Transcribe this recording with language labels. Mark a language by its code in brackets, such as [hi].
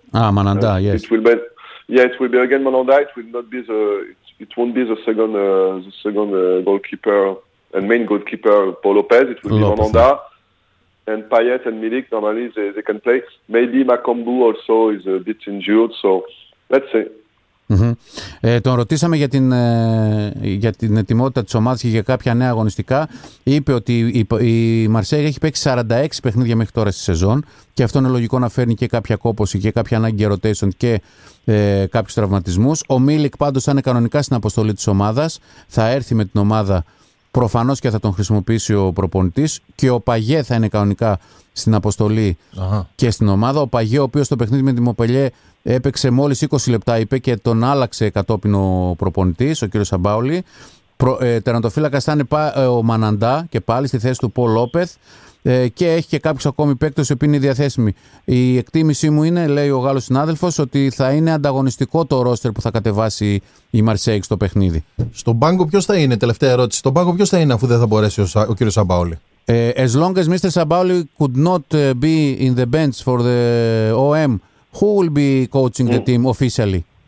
[en] Ah, Mandanda, yes. It will be again Mandanda. It will not be the. It won't be the second. Goalkeeper and main goalkeeper Paul Lopez. It will be Mandanda. And Payet and Milik normally they can play. Maybe Makambu also is a bit injured. So let's say. Mm-hmm. [el] Τον ρωτήσαμε για την ετοιμότητα της ομάδας και για κάποια νέα αγωνιστικά. Είπε ότι η Μαρσέιγ έχει παίξει 46 παιχνίδια μέχρι τώρα στη σεζόν και αυτό είναι λογικό να φέρνει και κάποια κόπωση και κάποια ανάγκη rotation και κάποιους τραυματισμούς. Ο Μίλικ πάντως θα είναι κανονικά στην αποστολή της ομάδας, θα έρθει με την ομάδα προφανώς και θα τον χρησιμοποιήσει ο προπονητής και ο Παγιέ θα είναι κανονικά στην αποστολή. Αχα. Και στην ομάδα. Ο Παγιέ, ο οποίος στο παιχνίδι με τη Μοπελιέ έπαιξε μόλις 20 λεπτά, είπε, και τον άλλαξε κατόπιν ο προπονητής, ο κύριος Σαμπάουλη. Τερματοφύλακας θα είναι ο Μανάντα και πάλι στη θέση του Πολ Λόπεθ. Και έχει και κάποιους ακόμη παίκτες οι οποίοι είναι διαθέσιμοι. Η εκτίμησή μου είναι, λέει ο Γάλλος συνάδελφος, ότι θα είναι ανταγωνιστικό το ρόστερ που θα κατεβάσει η Μαρσέιγ στο παιχνίδι. Στον πάγκο ποιος θα είναι, τελευταία ερώτηση. Στον πάγκο ποιος θα είναι, αφού δεν θα μπορέσει ο κύριος Σαμπάουλη. [en] As long as Mr. Sabauli could not be in the bench for the OM, who will be coaching the team officially?